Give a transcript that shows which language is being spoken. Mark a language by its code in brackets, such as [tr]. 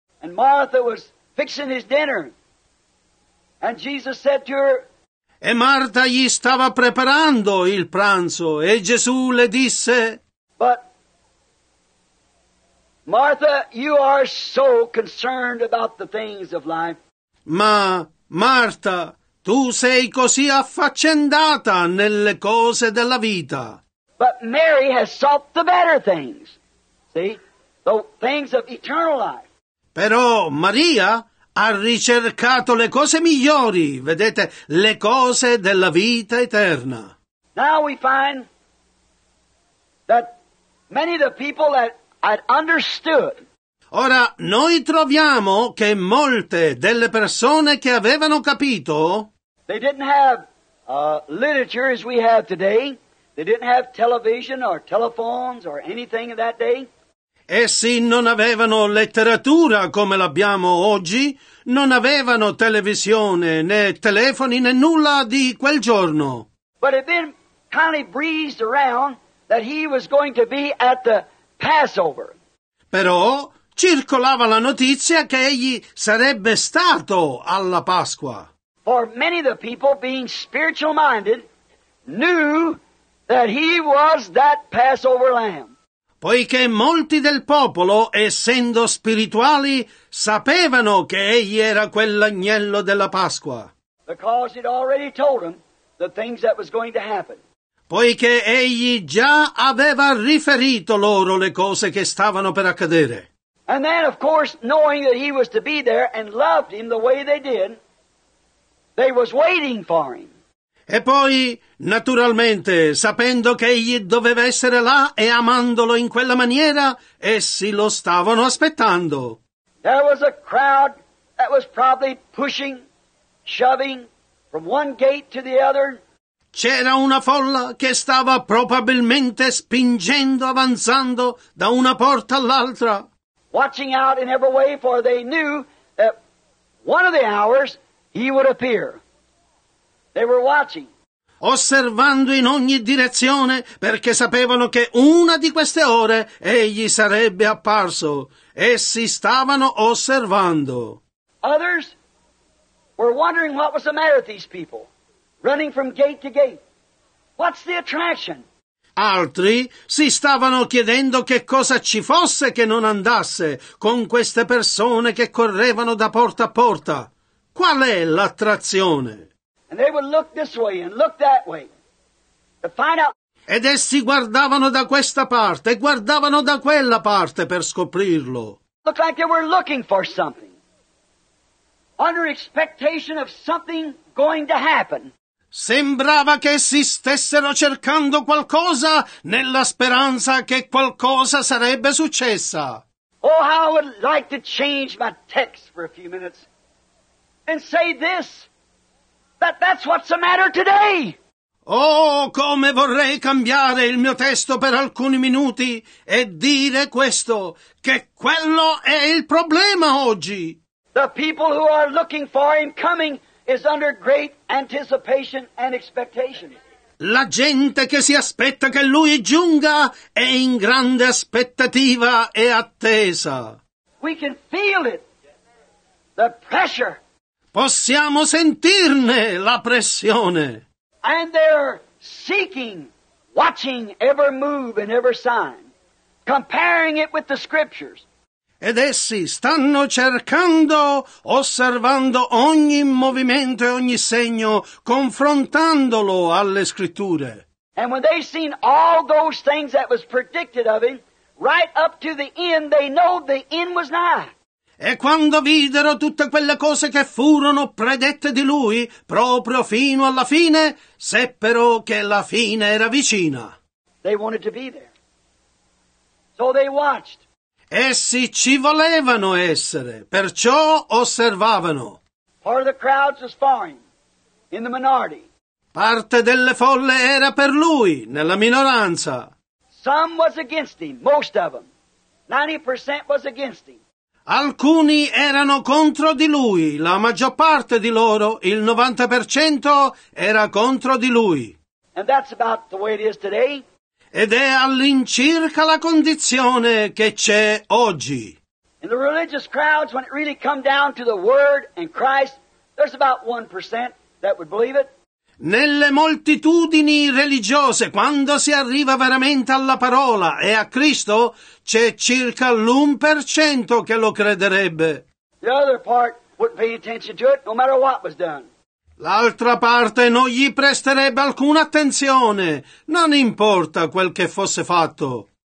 [en] And Martha was fixing his dinner. And Jesus said to her. [it] E Marta gli stava preparando il pranzo e Gesù le disse. [en] But Martha, you are so concerned about the things of life. [it] Ma, Marta, tu sei così affaccendata nelle cose della vita. [en] But Mary has sought the better things. See? The things of eternal life. [it] Però Maria ha ricercato le cose migliori, vedete, le cose della vita eterna. [en] Now we find that many of the people that I'd understood. [it] Ora, noi troviamo che molte delle persone che avevano capito. [en] They didn't have literature as we have today. They didn't have television or telephones or anything in that day. [it] Essi non avevano letteratura come l'abbiamo oggi. Non avevano televisione né telefoni né nulla di quel giorno. [en] But it had been kind of breezed around that he was going to be at the Passover. [it] Però circolava la notizia che egli sarebbe stato alla Pasqua. [en] For many of the people, being spiritual minded, knew that he was that Passover lamb. [it] Poiché molti del popolo, essendo spirituali, sapevano che egli era quell'agnello della Pasqua. [en] Because he'd already told them the things that was going to happen. [it] Poiché egli già aveva riferito loro le cose che stavano per accadere. [en] And then, of course, knowing that he was to be there and loved him the way they did, they was waiting for him. [it] E poi, naturalmente, sapendo che egli doveva essere là e amandolo in quella maniera, essi lo stavano aspettando. [en] There was a crowd that was probably pushing, shoving from one gate to the other. [it] C'era una folla che stava probabilmente spingendo, avanzando da una porta all'altra. [en] Watching out in every way, for they knew that one of the hours he would appear. They were watching. [it] Osservando in ogni direzione, perché sapevano che una di queste ore egli sarebbe apparso. Essi stavano osservando. [en] Others were wondering what was the matter with these people. Running from gate to gate. What's the attraction? [it] Altri si stavano chiedendo che cosa ci fosse che non andasse con queste persone che correvano da porta a porta. Qual è l'attrazione? [en] And they would look this way and look that way to find out. [it] Ed essi guardavano da questa parte e guardavano da quella parte per scoprirlo. [en] Looked like they were looking for something. Under expectation of something going to happen. [it] Sembrava che essi stessero cercando qualcosa nella speranza che qualcosa sarebbe successa. [en] Oh, how I would like to change my text for a few minutes and say this, that's what's the matter today. [it] Oh, come vorrei cambiare il mio testo per alcuni minuti e dire questo, che quello è il problema oggi. [en] The people who are looking for him coming is under great anticipation and expectation. [it] La gente che si aspetta che lui giunga è in grande aspettativa e attesa. [en] We can feel it. The pressure. [it] Possiamo sentirne la pressione. [en] And they're seeking, watching every move and every sign, comparing it with the scriptures. [it] Ed essi stanno cercando, osservando ogni movimento e ogni segno, confrontandolo alle scritture. [en] And when they've seen all those things that was predicted of him, right up to the end, they know the end was nigh. [it] E quando videro tutte quelle cose che furono predette di lui, proprio fino alla fine, seppero che la fine era vicina. [en] They wanted to be there. So they watched. [it] essi ci volevano essere, perciò osservavano. [en] Part of the crowds was for him, in the minority. [it] Parte delle folle era per lui, nella minoranza. [en] Some was against him, most of them. 90% was against him. [it] Alcuni erano contro di lui, la maggior parte di loro, il 90% era contro di lui. [en] And that's about the way it is today. [it] Ed è all'incirca la condizione che c'è oggi. [en] In the religious crowds, when it really come down to the Word and Christ, there's about 1% that would believe it. [it] Nelle moltitudini religiose, quando si arriva veramente alla parola e a Cristo, c'è circa l'1% che lo crederebbe. [en] The other part wouldn't pay attention to it, no matter what was done. [it] L'altra parte non gli presterebbe alcuna attenzione, non importa quel che fosse fatto.